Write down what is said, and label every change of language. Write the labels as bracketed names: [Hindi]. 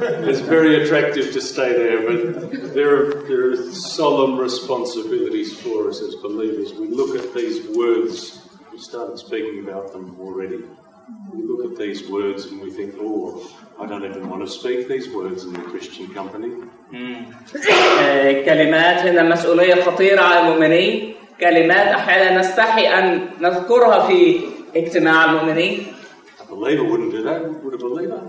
[English] It's very attractive to stay there, but there are solemn responsibilities for us as believers. We look at these words, we started speaking about them already. We look at these words and we think, oh, I don't even want to speak these words in the Christian company. [Arabic] كلمات هنا مسؤولية خطيرة على المؤمنين. كلمات أحيانا نستحي أن نذكرها في اجتماع المؤمنين. [English] Believer wouldn't do that, would a believer?